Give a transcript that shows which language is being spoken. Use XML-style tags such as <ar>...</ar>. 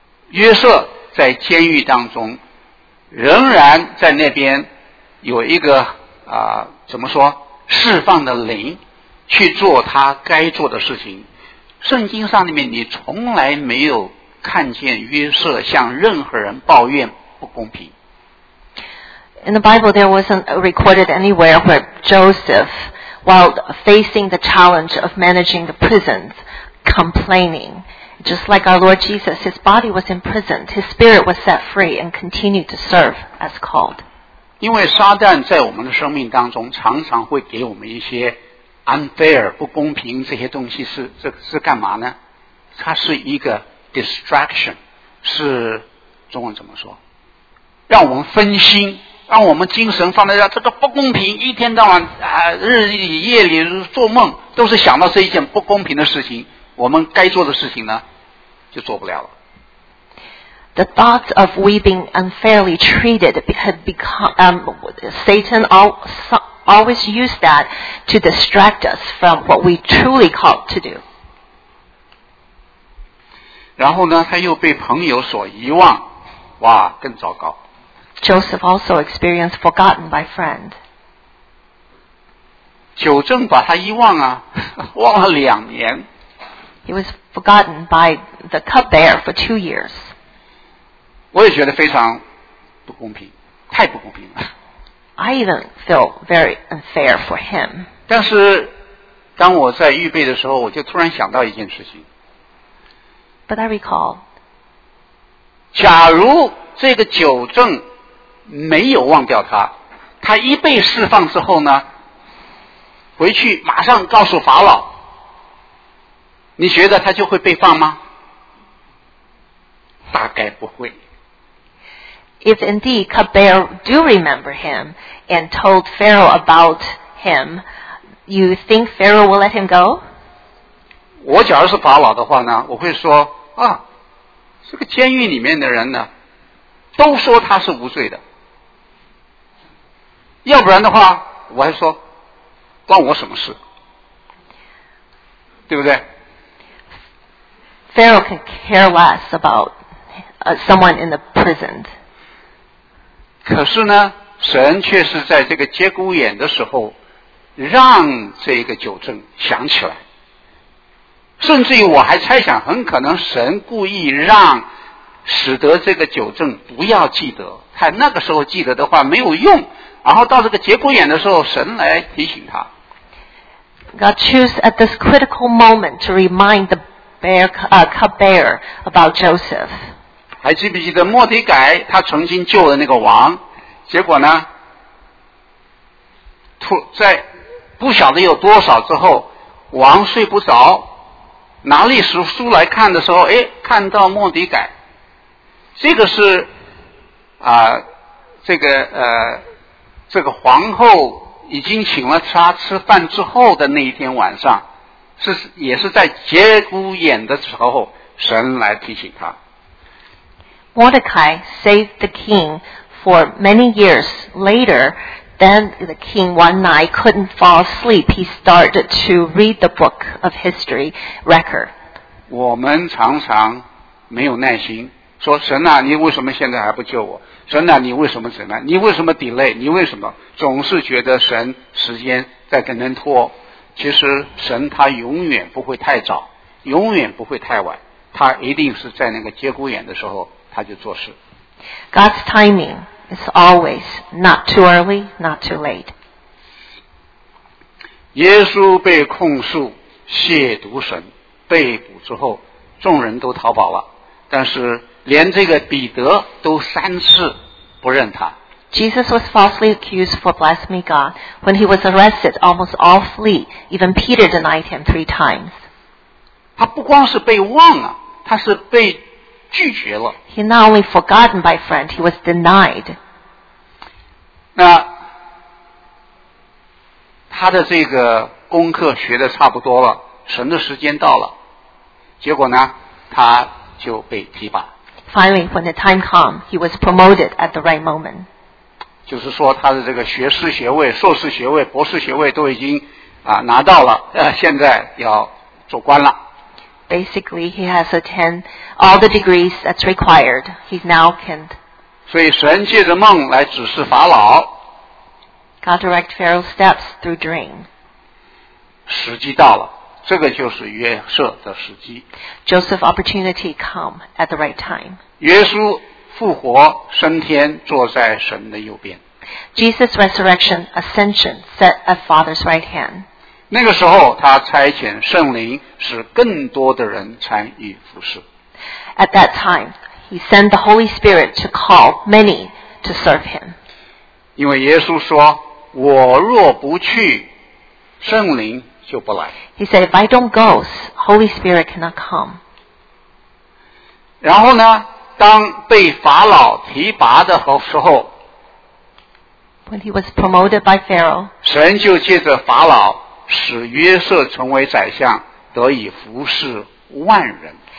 <zh>约瑟在监狱当中，仍然在那边有一个怎么说，释放的灵，去做他该做的事情。圣经上里面，你从来没有看见约瑟向任何人抱怨不公平。</zh> <en>In the Bible, there wasn't recorded anywhere where Joseph, while facing the challenge of managing the prisons, complaining. Just like our Lord Jesus, his body was imprisoned, his spirit was set free and continued to serve as called.</en> <zh>因为撒旦在我们的生命当中常常会给我们一些</zh> <en>unfair,</en> <zh>不公平这些东西 是干嘛呢？它是一个</zh> <en>distraction,</en> <zh>是中文怎么说？让我们分心。让我们精神放在这个不公平，一天到晚日里夜里做梦都是想到这一件不公平的事情，我们该做的事情呢就做不了了。</zh> <en>The thoughts of we being unfairly treated have become, Satan always used that to distract us from what we truly called to do.</en> <zh>然后呢他又被朋友所遗忘，哇，更糟糕。</zh> <en>Joseph also experienced forgotten by friend.</en> <zh>九正把他遗忘啊，忘了两年。</zh> <en>He was forgotten by the cupbearer for 2 years.</en> <zh>我也觉得非常不公平，太不公平了。</zh> <en>I even feel very unfair for him.</en> <zh>但是当我在预备的时候，我就突然想到一件事情。</zh> <en>But I recall.</en> <zh>假如这个九正没有忘掉他，他一被释放之后呢，回去马上告诉法老，你觉得他就会被放吗？大概不会。</zh> <en>If indeed Cupbearer do remember him and told Pharaoh about him, you think Pharaoh will let him go?</en> <zh>我假如是法老的话呢，我会说啊，这个监狱里面的人呢，都说他是无罪的。要不然的话我还说关我什么事，对不对？</zh> <en>Pharaoh can care less about someone in the prison.</en> <zh>可是呢，神却是在这个节骨眼的时候让这个九正想起来，甚至于我还猜想很可能神故意让使得这个九正不要记得，他那个时候记得的话没有用，然后到这个节骨眼的时候神来提醒他。</zh> <en>God chose at this critical moment to remind the cupbearer about Joseph.</en> <zh>还记不记得莫迪改他曾经救了那个王，结果呢在不晓得有多少之后王睡不着，拿历史书来看的时候，哎，看到莫迪改，这个是这个皇后已经请了他吃饭之后的那一天晚上，是也是在节骨眼的时候神来提醒他。</zh> <en>Mordecai saved the king for many years later. Then the king one night couldn't fall asleep. He started to read the book of history record.</en> <zh>我们常常没有耐心说，神啊，你为什么现在还不救我？神啊，你为什么怎么？你为什么</zh> <en>delay？</en> <zh>你为什么总是觉得神时间在跟人拖？其实神他永远不会太早，永远不会太晚，他一定是在那个节骨眼的时候他就做事。</zh> <en>God's timing is always not too early, not too late.</en> <zh>耶稣被控诉亵渎神，被捕之后，众人都逃跑了，但是连这个彼得都三次不认他。</zh> <en>Jesus was falsely accused for blaspheming God. When he was arrested, almost all flee. Even Peter denied him 3 times.</en> <zh>他不光是被忘了，他是被拒绝了。</zh> <en>He not only forgotten by friend, he was denied.</en> <zh>那他的这个功课学的差不多了，神的时间到了，结果呢他就被提拔。</zh> <en>Finally, when the time came, he was promoted at the right moment.</en> <zh>就是说他的这个学士学位、硕士学位、博士学位都已经拿到了，现在要做官了。</zh> <en>Basically, he has attained all the degrees that's required. He's now king.</en> <zh>所以神借着梦来指示法老。</zh> <en>God directs Pharaoh's steps through dream.</en> <zh>时机到了，这个就是约瑟的时机。</zh> <en>Joseph's opportunity come at the right time.</en> <zh>耶稣复活升天，坐在神的右边。</zh> <en>Jesus' resurrection, ascension, set at Father's right hand.</en> <zh>那个时候他差遣圣灵使更多的人参与服事。</zh> <en>At that time, he sent the Holy Spirit to call many to serve him.</en> <zh>因为耶稣说，我若不去，圣灵就不来。</zh> <en>He said, if I don't go, Holy Spirit cannot come.</en> <zh>然后呢，当被法老提拔的时候，</zh> <en>When he was promoted by Pharaoh,</en> <zh>神就借着法老使约瑟成为宰相，得以服侍万人。</zh>